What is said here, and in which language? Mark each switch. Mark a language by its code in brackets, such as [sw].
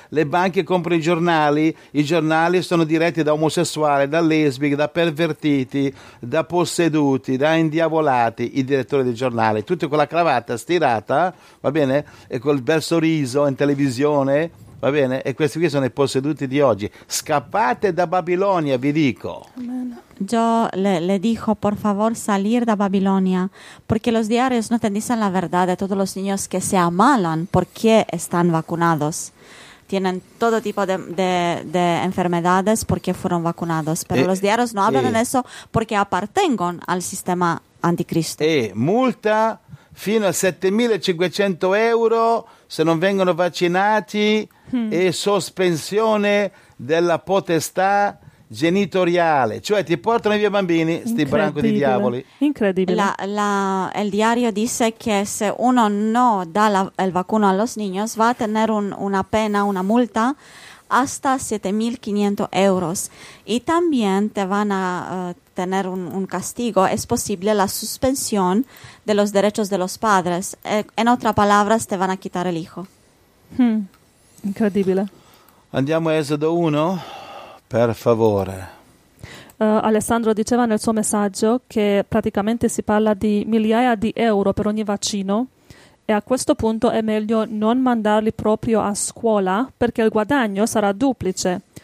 [it] Le banche comprano i giornali sono diretti da omosessuali, da lesbiche, da pervertiti, da posseduti, da indiavolati, i direttori dei giornali, tutti con la cravatta stirata, va bene, e col bel sorriso in televisione. Va bene? E questi qui sono i posseduti di oggi. Scappate da Babilonia, vi dico. [es] Yo le dijo, por favor, salir de Babilonia, porque los diarios no te dicen la verdad de todos los niños que se amalan porque están vacunados. Tienen todo tipo de enfermedades porque fueron vacunados. Pero los diarios no hablan de eso porque [it] appartengono al sistema anticristo. Multa fino a 7.500 euro se non vengono vaccinati. E sospensione della potestà genitoriale, cioè ti portano via i bambini, sti branco di diavoli. Incredibile. Il diario dice che se uno non dà il vaccino [es] a los niños va a tener una pena, una multa hasta 7.500 euros. Y también te van a tener un castigo. Es posible la suspensión de los derechos de los padres. En otras palabras, te van a quitar el hijo. [it] Incredibile. Andiamo a Esodo 1, per favore. Alessandro diceva nel suo messaggio che praticamente si parla di migliaia di euro per ogni vaccino e a questo punto è meglio non mandarli proprio a scuola perché il guadagno sarà duplice.